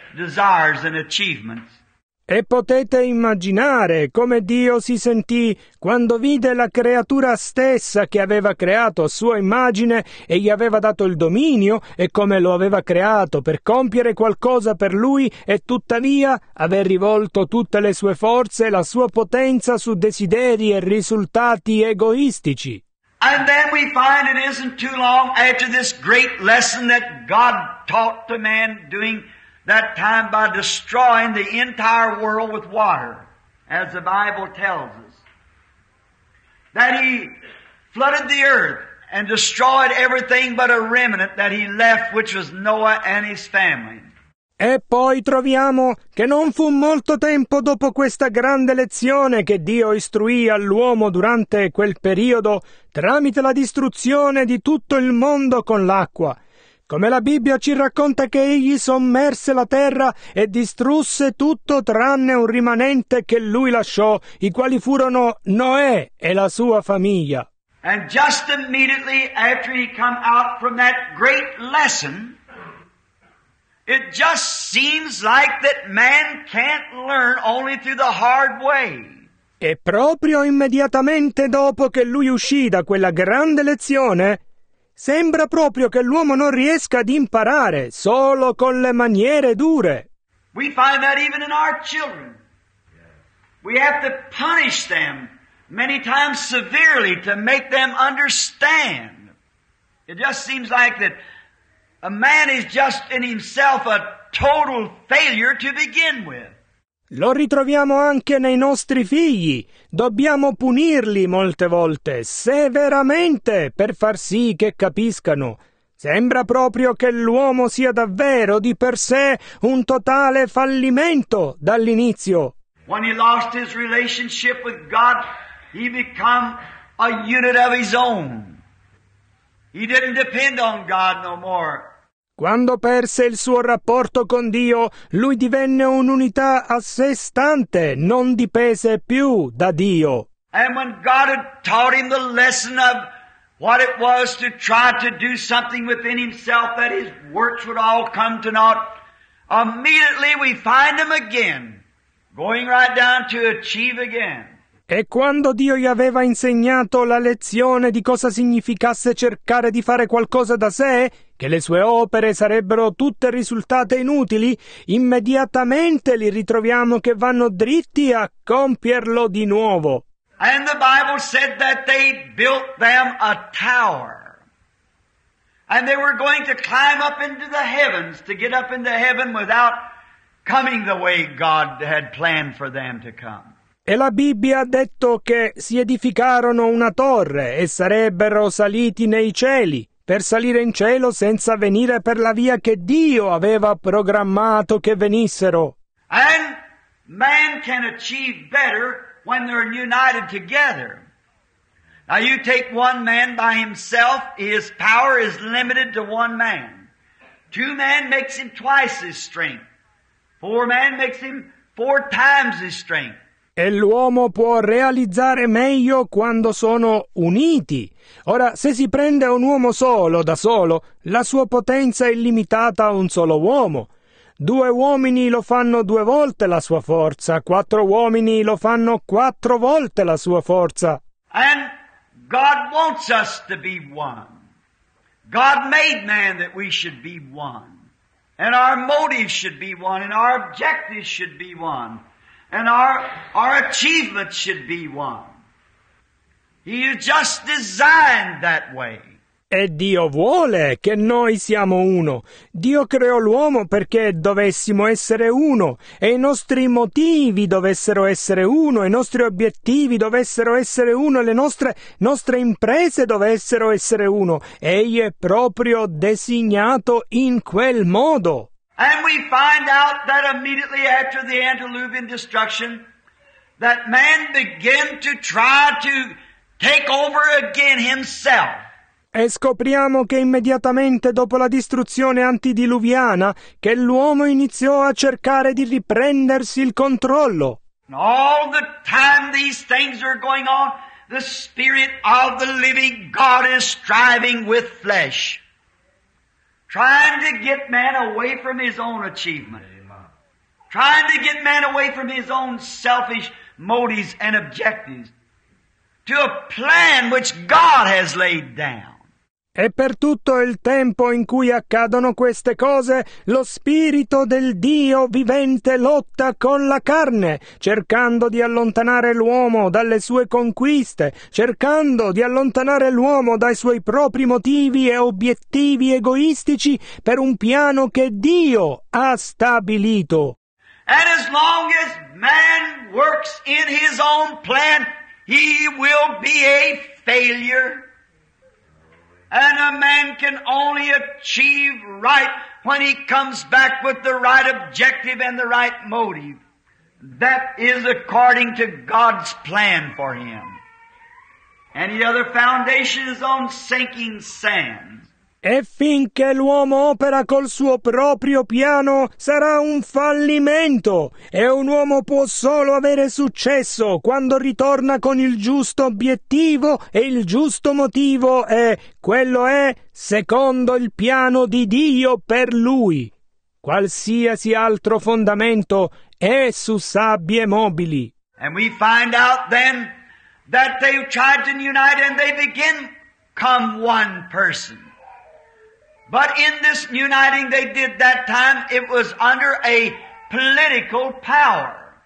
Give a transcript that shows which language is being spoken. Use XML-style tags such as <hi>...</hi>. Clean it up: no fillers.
<en>desires and achievements.</en> <it>E potete immaginare come Dio si sentì quando vide la creatura stessa che aveva creato a sua immagine e gli aveva dato il dominio e come lo aveva creato per compiere qualcosa per lui e tuttavia aver rivolto tutte le sue forze e la sua potenza su desideri e risultati egoistici.</it> <en>And then we find it isn't too long after this great lesson that God taught to man doing that time by destroying the entire world with water, as the Bible tells us. That he flooded the earth and destroyed everything but a remnant that he left, which was Noah and his family.</en> <it>E poi troviamo che non fu molto tempo dopo questa grande lezione che Dio istruì all'uomo durante quel periodo tramite la distruzione di tutto il mondo con l'acqua. Come la Bibbia ci racconta che egli sommerse la terra e distrusse tutto tranne un rimanente che lui lasciò, i quali furono Noè e la sua famiglia.</it> <en>And just immediately after he come out from that great lesson, it just seems like that man can't learn only through the hard way.</en> <it>E proprio immediatamente dopo che lui uscì da quella grande lezione, sembra proprio che l'uomo non riesca ad imparare solo con le maniere dure.</it> <en>We find that even in our children. We have to punish them many times severely to make them understand. It just seems like that a man is just in himself a total failure to begin with.</en> <it>Lo ritroviamo anche nei nostri figli. Dobbiamo punirli molte volte, severamente, per far sì che capiscano. Sembra proprio che l'uomo sia davvero di per sé un totale fallimento dall'inizio.</it> <en>When he lost his relationship with God, he became a unit of his own. He didn't depend on God no more.</en> <it>Quando perse il suo rapporto con Dio, lui divenne un'unità a sé stante, non dipese più da Dio.</it> <en>And when God had taught him the lesson of what it was to try to do something within himself that his works would all come to naught, immediately we find him again, going right down to achieve again.</en> <it>E quando Dio gli aveva insegnato la lezione di cosa significasse cercare di fare qualcosa da sé, che le sue opere sarebbero tutte risultate inutili, immediatamente li ritroviamo che vanno dritti a compierlo di nuovo.</it> <en>And the Bible said that they built them a tower. And they were going to climb up into the heavens to get up into heaven without coming the way God had planned for them to come.</en> <it>E la Bibbia ha detto che si edificarono una torre e sarebbero saliti nei cieli, per salire in cielo senza venire per la via che Dio aveva programmato che venissero.</it> <en>And man can achieve better when they're united together. Now you take one man by himself, his power is limited to one man. Two men makes him twice his strength. Four men makes him four times his strength.</en> <it>E l'uomo può realizzare meglio quando sono uniti. Ora, se si prende un uomo solo, da solo, la sua potenza è limitata a un solo uomo. Due uomini lo fanno due volte la sua forza, quattro uomini lo fanno quattro volte la sua forza.</it> <en>And God wants us to be one. God made man that we should be one. And our motive should be one, and our objective should be one. And our achievements should be one. He just designed that way.</en> <it>E Dio vuole che noi siamo uno. Dio creò l'uomo perché dovessimo essere uno, e i nostri motivi dovessero essere uno, i nostri obiettivi dovessero essere uno, e le nostre imprese dovessero essere uno. Egli è proprio designato in quel modo.</it> <en>And we find out that immediately after the antediluvian destruction, that man began to try to take over again himself.</en> <it>E scopriamo che immediatamente dopo la distruzione antidiluviana, che l'uomo iniziò a cercare di riprendersi il controllo.</it> <en>And all the time these things are going on, the Spirit of the living God is striving with flesh. Trying to get man away from his own achievement. Amen. trying to get man away from his own selfish motives and objectives to a plan which God has laid down.</en> <it>E per tutto il tempo in cui accadono queste cose, lo spirito del Dio vivente lotta con la carne, cercando di allontanare l'uomo dalle sue conquiste, cercando di allontanare l'uomo dai suoi propri motivi e obiettivi egoistici per un piano che Dio ha stabilito.</it> <en>And as long as man works in his own plan, he will be a failure. And a man can only achieve right when he comes back with the right objective and the right motive. That is according to God's plan for him. Any other foundation is on sinking sand.</en> <it>E finché l'uomo opera col suo proprio piano, sarà un fallimento. E un uomo può solo avere successo quando ritorna con il giusto obiettivo e il giusto motivo, e quello è secondo il piano di Dio per lui. Qualsiasi altro fondamento è su sabbie mobili.</it> <en>And we find out then that they tried to unite and they begin come one person. But in this uniting they did that time, it was under a political power.</en>